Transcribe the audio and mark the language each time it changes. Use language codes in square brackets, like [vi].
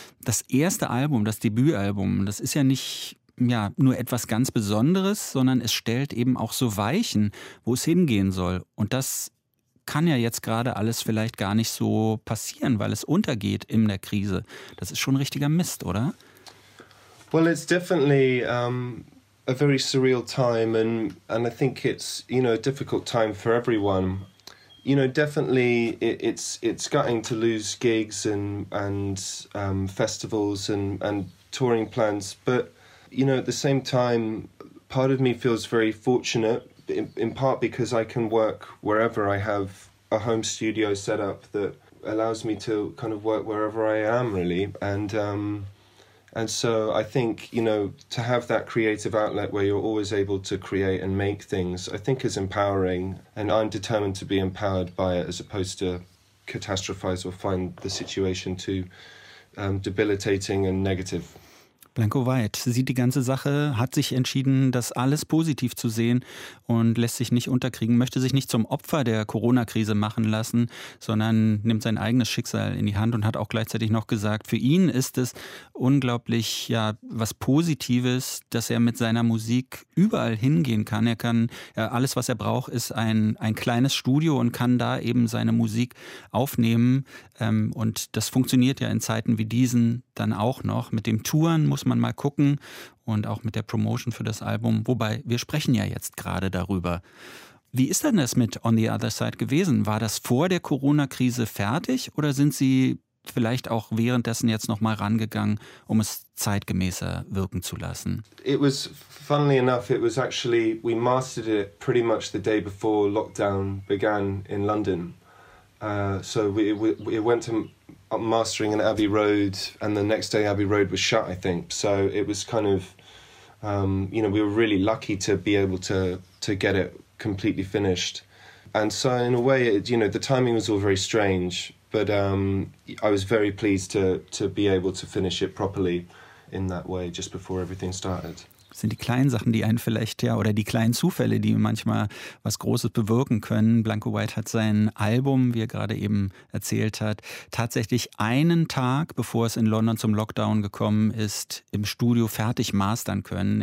[de] Das erste Album, das Debütalbum, das ist ja nicht nur etwas ganz Besonderes, sondern es stellt eben auch so Weichen, wo es hingehen soll. Und das kann ja jetzt gerade alles vielleicht gar nicht so passieren, weil es untergeht in der Krise. Das ist schon richtiger Mist, oder? [en] Well, it's definitely a very surreal time and I think it's, you know, a difficult time for everyone. You know, definitely it's gutting to lose gigs and festivals and touring plans, but you know, at the same time, part of me feels very fortunate, in part because I can work wherever. I have a home studio set up that allows me to kind of work wherever I am, really. And so I think, you know, to have that creative outlet where you're always able to create and make things, I think is empowering. And I'm determined to be empowered by it as opposed to catastrophize or find the situation too debilitating and negative. [de] Blanco White sieht die ganze Sache, hat sich entschieden, das alles positiv zu sehen und lässt sich nicht unterkriegen, möchte sich nicht zum Opfer der Corona-Krise machen lassen, sondern nimmt sein eigenes Schicksal in die Hand und hat auch gleichzeitig noch gesagt, für ihn ist es unglaublich was Positives, dass er mit seiner Musik überall hingehen kann. Er kann, alles, was er braucht, ist ein kleines Studio und kann da eben seine Musik aufnehmen. Und das funktioniert ja in Zeiten wie diesen dann auch noch. Mit dem Touren muss man mal gucken und auch mit der Promotion für das Album. Wobei, wir sprechen ja jetzt gerade darüber. Wie ist denn das mit On the Other Side gewesen? War das vor der Corona-Krise fertig oder sind Sie vielleicht auch währenddessen jetzt nochmal rangegangen, um es zeitgemäßer wirken zu lassen? [en] It was, funnily enough, it was actually, we mastered it pretty much the day before lockdown began in London. So we went to mastering in Abbey Road, and the next day Abbey Road was shut, I think. So it was kind of, you know, we were really lucky to be able to get it completely finished. And so in a way, it, you know, the timing was all very strange, but I was very pleased to be able to finish it properly in that way, just before everything started. [de] Sind die kleinen Sachen, die einen vielleicht, oder die kleinen Zufälle, die manchmal was Großes bewirken können. Blanco White hat sein Album, wie er gerade eben erzählt hat, tatsächlich einen Tag, bevor es in London zum Lockdown gekommen ist, im Studio fertig mastern können.